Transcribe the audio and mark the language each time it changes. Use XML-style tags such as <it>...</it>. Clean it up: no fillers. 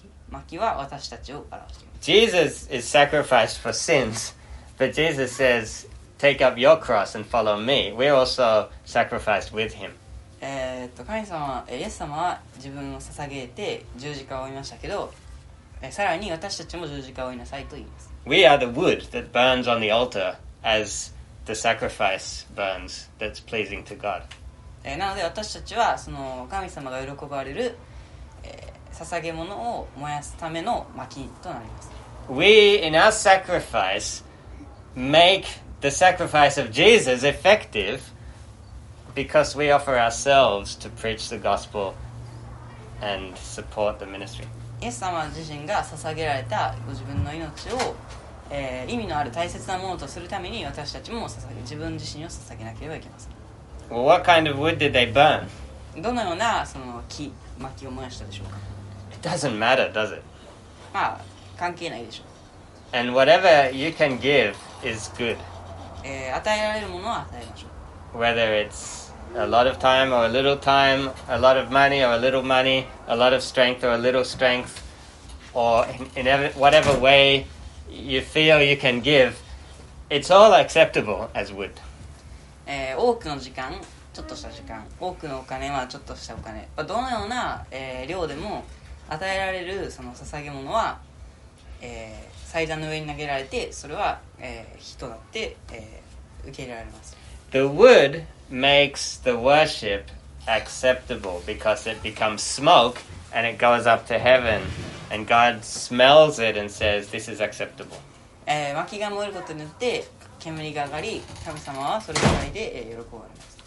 <ja>薪は私たちを表しています。</ja> <en>Jesus is sacrificed for sins, but Jesus says, take up your cross and follow me. We're also sacrificed with him.</en> <ja>神様、イエス様は自分を捧げて十字架を追いましたけど、さらに私たちも十字架を追いなさいと言います。</ja> <en>We are the wood that burns on the altar as the sacrifice burns that's pleasing to God.</en> <ja>なので私たちはその神様が喜ばれる、捧げ物を燃やすための薪となります。</ja> <en>We, in our sacrifice, make the sacrifice of Jesus effective because we offer ourselves to preach the gospel and support the ministry.</en> <ja>イエス様自身が捧げられたご自分の命を、意味のある大切なものとするために私たちも捧げ自分自身を捧げなければいけません。</ja> <en>Well, what kind of wood did they burn?</en> <ja>どのようなその木、薪を燃やしたでしょうか?</ja> <en>It doesn't matter, does it?</en> <ja>まあ、関係ないでしょう。</ja> <en>And whatever you can give is good.</en> <ja>与えられるものは与えましょう。</ja> <en>Whether it's a lot of time or a little time, a lot of money or a little money,A lot of strength or a little strength, or in whatever way you feel you can give, it's all acceptable as wood.</en> <ja>多くの時間、ちょっとした時間、多くのお金はちょっとしたお金。どのような、量でも与えられるその捧げ物は、祭壇の上に投げられて、それは、人だって、受け入れられます。</ja> <en>The wood makes the worship. Acceptable because it becomes smoke and it goes up to heaven, and God smells it and says, "This is acceptable."</en> <ja>薪が燃えることによって煙が上がり、神様はそれを嗅いで喜ばれます。</ja>